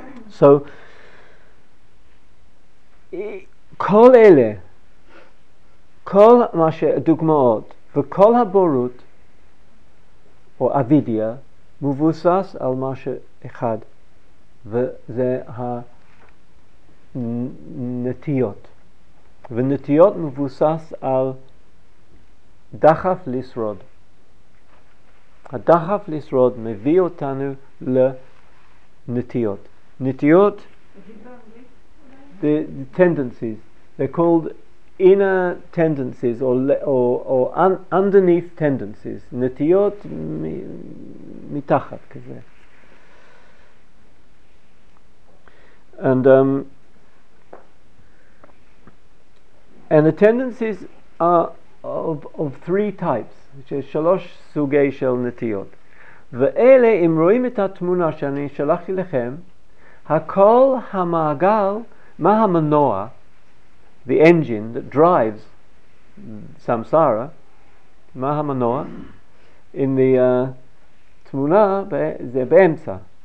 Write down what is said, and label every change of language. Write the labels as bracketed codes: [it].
[he] So כל אלה, כל מה שדוגמאות וכל הבורות או אבידיה מבוסס על משהו אחד, וזה הנטיות. ונטיות מבוסס על דחף לשרוד. הדחף לשרוד מביא אותנו לנטיות. [en] נטיות, the tendencies, they're called inner tendencies or underneath tendencies. [he] נטיות מתחת כזה. [en] And the tendencies are of three types, which is [he] שלוש סוגי של נטיות. ואלה, אם רואים את התמונה שאני שלחתי לכם, הכל המעגל, מה המנוע, [en] the engine that drives samsara, [he] מה המנוע? In the תמונה, זה באמצע.